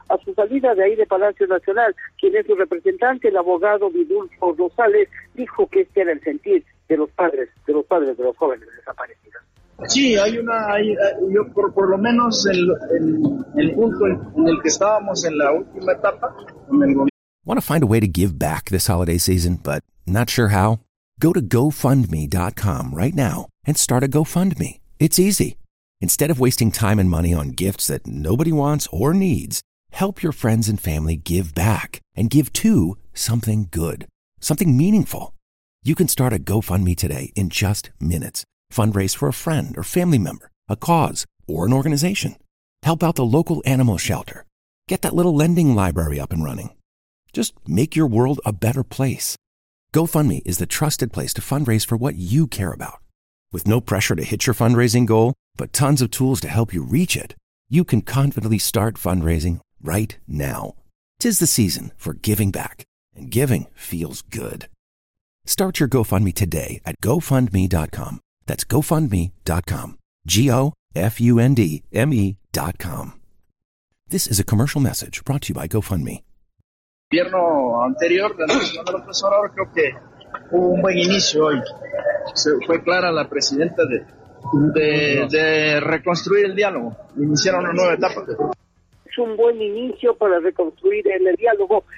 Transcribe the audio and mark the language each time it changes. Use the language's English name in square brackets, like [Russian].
[Spanish] A su salida de ahí de Palacio Nacional, quien es su representante, el abogado Vidulfo Rosales, dijo que este era el sentir de los padres de los jóvenes desaparecidos. Sí, por lo menos el punto en el que estábamos en la última etapa. [English] Want to find a way to give back this holiday season, but not sure how? Go to GoFundMe.com right now and start a GoFundMe. It's easy. Instead of wasting time and money on gifts that nobody wants or needs, help your friends and family give back and give to something good, something meaningful. You can start a GoFundMe today in just minutes. Fundraise for a friend or family member, a cause, or an organization. Help out the local animal shelter. Get that little lending library up and running. Just make your world a better place. GoFundMe is the trusted place to fundraise for what you care about. With no pressure to hit your fundraising goal, but tons of tools to help you reach it, you can confidently start fundraising right now. 'Tis the season for giving back, and giving feels good. Start your GoFundMe today at GoFundMe.com. That's GoFundMe.com. GoFundMe.com. This is a commercial message brought to you by GoFundMe. [Spanish] El gobierno anterior de la López Obrador, creo que hubo un buen inicio hoy. Fue clara la presidenta de reconstruir el diálogo. Iniciaron una nueva etapa. Es un buen inicio para reconstruir el diálogo.